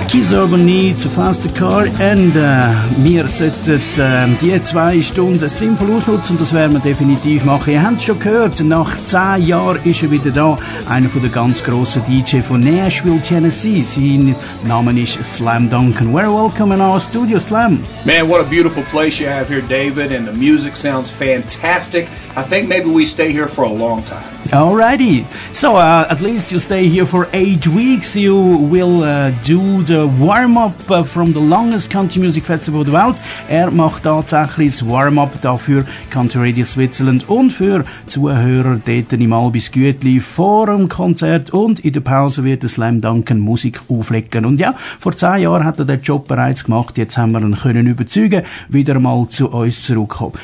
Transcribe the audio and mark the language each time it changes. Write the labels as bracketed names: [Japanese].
[German] Urban Needs, a Faster Car, und wir sollten die zwei Stunden sinnvoll ausnutzen, und das werden wir definitiv machen. Ihr habt es schon gehört, nach 10 Jahren ist er wieder da, einer von den ganz grossen DJ von Nashville, Tennessee. Sein Name ist [English] Slam Duncan. We're welcome in our studio, Slam. Man, what a beautiful place you have here, David, and the music sounds fantastic. I think maybe we stay here for a long time. Alrighty. So, at least you stay here for 8 weeks. You will do the Warm-Up from the longest country music festival of the world. [German] Er macht tatsächlich das Warm-Up dafür Country Radio Switzerland und für Zuhörer dort im Albis Güetli vor dem Konzert und in der Pause wird der Slam Duncan Musik auflegen. Und ja, vor 10 Jahren hat er den Job bereits gemacht, jetzt haben wir ihn können überzeugen, wieder mal zu uns zurückkommen.